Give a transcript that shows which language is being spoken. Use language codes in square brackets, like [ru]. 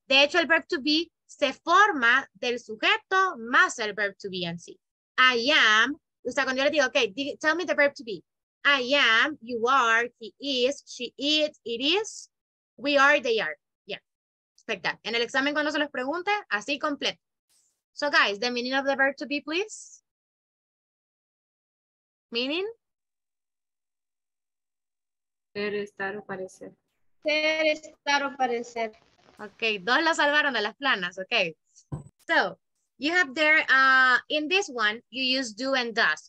[es] De hecho, el verb to be se forma del sujeto más el verb to be en sí. [en] I am, [es] o sea, cuando yo le digo, [en] ok, tell me the verb to be. I am, you are, he is, she is, it is, we are, they are. Yeah, expect that. [es] En el examen cuando se los pregunte, así completo. [en] So guys, the meaning of the verb to be, please. Meaning? [es] Ser, estar o parecer. Ser, estar o parecer. Okay, dos la salvaron de las planas, okay. [en] So, you have there, in this one, you use do and does.